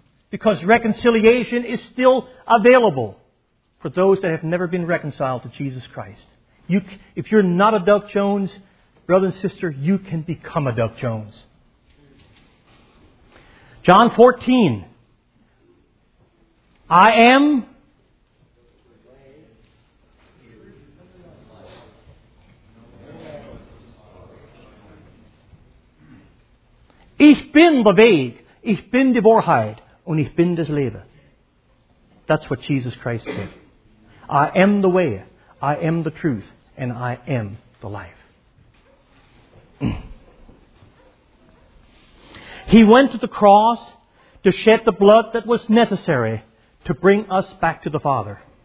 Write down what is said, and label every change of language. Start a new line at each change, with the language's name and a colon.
English: Because reconciliation is still available for those that have never been reconciled to Jesus Christ. If you're not a Doug Jones, brother and sister, you can become a Doug Jones. John 14. I am
German: Ich bin der Weg, ich bin die Wahrheit, und ich bin das Leben.
English: That's what Jesus Christ said. I am the way, I am the truth, and I am the life. He went to the cross to shed the blood that was necessary to bring us back to the Father.